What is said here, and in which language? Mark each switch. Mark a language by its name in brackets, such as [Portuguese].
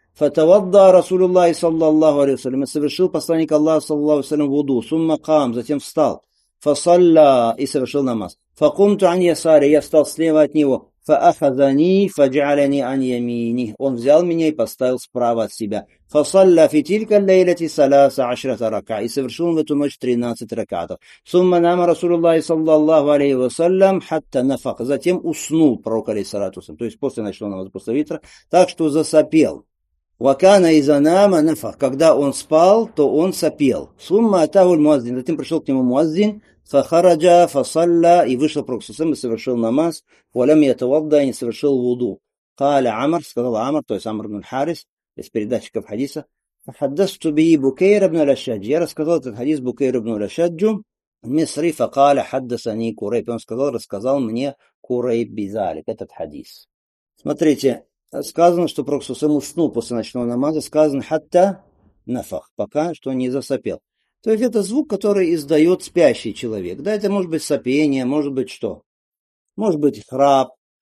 [Arabic] Фатавадда Расулуллахи саллаллаху алейхи ва саллям, [Russian] совершил посланник Аллаха саллаллаху алейхи ва саллям вуду, [Arabic] сумма кам, [Russian] затем встал, фасалля и совершил намаз. [Arabic] Факумту ан ясари, [Russian] я встал слева от него, [Arabic] فأخذني فجعلني عن يميني. [Russian] Он взял меня и поставил справа от себя. [Arabic] فصلى في تلك الليلة 13 ركعة. [Russian] И совершил он в эту ночь 13 ركعات. [Arabic] ثم نام رسول الله صلى الله عليه وسلم حتى نفق. [Russian] Затем уснул пророк [Arabic] عليه الصلاة والسلام. [Russian] То есть после ночного намаза, после витра. Так что засопел. [Arabic] وكان إذا نام نفق. [Russian] Когда он спал, то он сопел. [Arabic] ثم أتاه المؤذن. [Russian] Затем пришел к нему مؤذن. [Arabic] فخرج فصلى [Russian] и вышел пророк и совершил намаз, [Arabic] ولم يتوضأ [Russian] и не совершил вуду. [Arabic] قال عمر, [Russian] сказал عمر, то есть عمر بن الحارث, из передатчиков хадиса, [Arabic] فحدثت به بكير بن الأشج. [Russian] Я рассказал этот хадис بكير بن الأشج المصري, [Arabic] فقال حدثني كريب. [Russian] Он сказал, рассказал мне كريب بذلك, этот хадис. Смотрите, сказано, что пророк Сусам уснул после ночного намаза, сказано, [Arabic] хатта нафах, [Russian] пока что не засопел. То есть это звук, который издает спящий человек. Да, это может быть сопение, может быть что? Может быть храп.